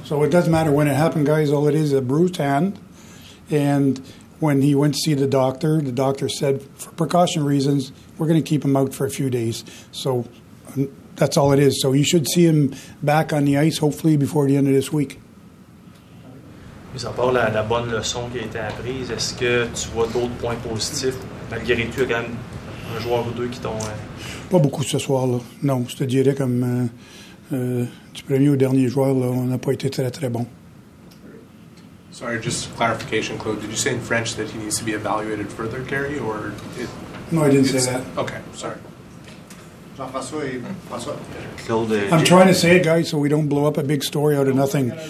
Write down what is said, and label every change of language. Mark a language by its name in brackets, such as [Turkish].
[English] So it doesn't matter when it happened, guys. All it is a bruised hand. And when he went to see the doctor said, for precaution reasons, we're going to keep him out for a few days. So that's all it is. So you should see him back on the ice, hopefully, before the end of this week. [French] Mis à part la bonne leçon qui a été apprise, est-ce que tu vois d'autres points positifs? Malgré tout, il y a quand même un joueur ou deux qui t'ont... Pas beaucoup ce soir-là. Non, je te dirais comme du premier au dernier joueur, là, on n'a pas été très, très bon. [English] Sorry, just clarification, Claude. Did you say in French that he needs to be evaluated further, Carey? Or no, I didn't say that. Okay, sorry. I'm trying to say it, guys, so we don't blow up a big story out of nothing.